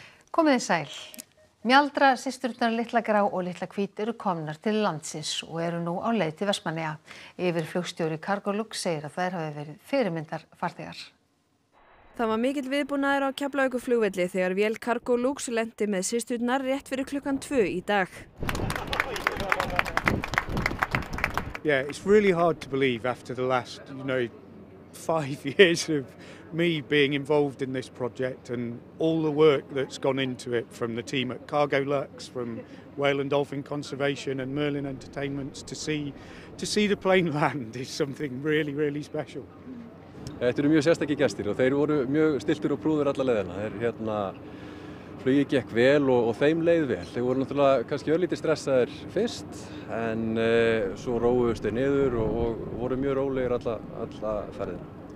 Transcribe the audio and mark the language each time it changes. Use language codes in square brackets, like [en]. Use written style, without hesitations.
[is] Komiði sæl. Mjaldra systurnar litla grá og litla hvít eru komnar til landsins og eru nú á leið til Vestmannaeyja. Yfir flugstjóri Cargolux segir að þær hafi verið fyrirmyndar farþegar. Það var mikill viðbúnaður á Keflavíkurflugvelli þegar vél Cargolux lenti með systurnar rétt fyrir klukkan 2 í dag. [en] Yeah, it's really hard to believe after the last, you know, 5 years of me being involved in this project and all the work that's gone into it from the team at Cargolux, from Whale and Dolphin Conservation and Merlin Entertainments to see the plane land is something really, really special. [is] Þetta eru mjög sérstakir gestir og þeir voru mjög stiltir og prúðir alla leiðina. Þeir hérna flugið gekk vel og þeim leið vel. Þeir voru náttúrulega kannski örlítið stressaðir fyrst en svo róuðust þeir niður og voru mjög rólegir alla ferðina.